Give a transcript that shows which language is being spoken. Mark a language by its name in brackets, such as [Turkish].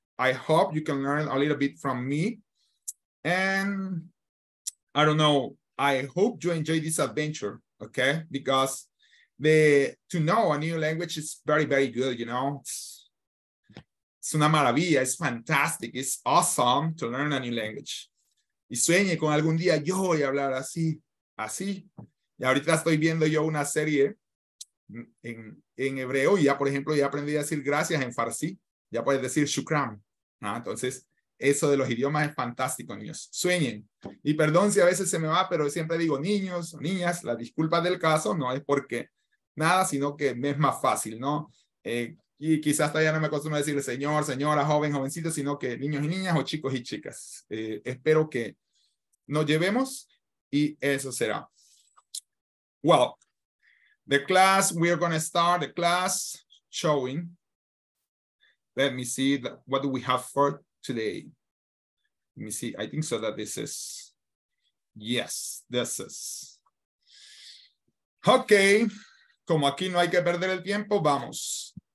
[English] I hope you can learn a little bit from me. And I don't know, I hope you enjoy this adventure, okay? Because to know a new language is very, very good, you know? It's [Spanish] una maravilla, [English] it's fantastic, it's awesome to learn a new language. [Spanish] Y sueñe con algún día yo voy a hablar así, así. Y ahorita estoy viendo yo una serie en hebreo y ya, por ejemplo, ya aprendí a decir gracias en farsi. Ya puedes decir shukran, ¿no? Entonces, eso de los idiomas es fantástico, niños. Sueñen. Y perdón si a veces se me va, pero siempre digo niños, niñas, la disculpa del caso no es porque nada, sino que me es más fácil, ¿no? Y quizás todavía no me acostumbro a decirle señor, señora, joven, jovencito, sino que niños y niñas o chicos y chicas. Espero que nos llevemos y eso será. [English] Well, the class, we are going to start the class showing. Let me see what do we have for today. Let me see. I think so that this is. Yes, this is. Okay. [Spanish] Como aquí no hay que perder el tiempo, vamos.